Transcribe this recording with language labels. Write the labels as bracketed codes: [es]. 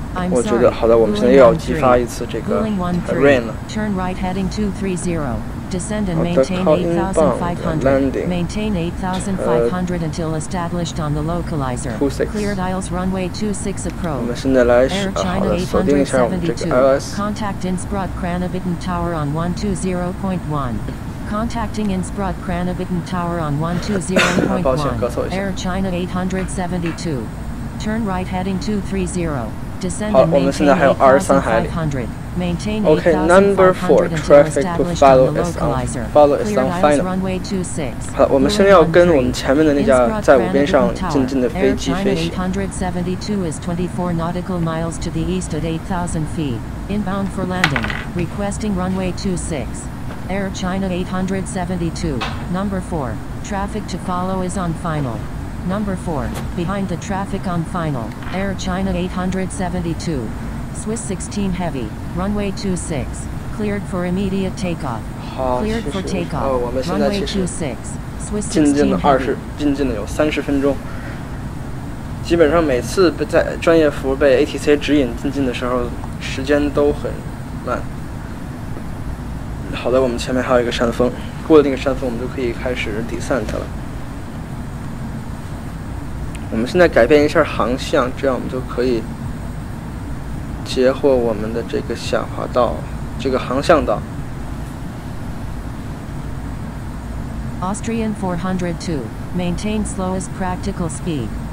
[zh] 我觉得好的，我们现在又要激发一次这个 Rain 了。 [en] Turn right heading 230. Descend and maintain 8,500. Maintain 8,500 until established on the localizer. Clear dials runway 26 approach. Air China 872. Contact Innsbruck Kranabitten Tower on 120.1. Contacting Innsbruck Kranabitten Tower on 120.1. Air China 872. Turn right heading 230. [zh] 好，我们现在还有23海里。 [en] OK, number 4, traffic to follow is on final. [zh] 好了，我们现在要跟我们前面的那架在五边上静静的飞机飞行。 [en] 872 is 24 nautical miles to the east at 8,000 feet. Inbound for landing, requesting runway 26. Air China 872. Number 4, traffic to follow is on final. Number 4, behind the traffic on final, Air China 872, Swiss 16 Heavy, runway 26, cleared for immediate takeoff, cleared for takeoff, runway 26, Swiss 16 Heavy. [zh] 进近了有30分钟。基本上每次在专业服被 ATC 指引进近的时候，时间都很慢。好的，我们前面还有一个山峰，过了那个山峰，我们就可以开始 descent 了。我们现在改变一下航向，这样我们就可以截获我们的这个下滑道，这个航向道。 [en] Austrian 402, maintain slowest practical speed.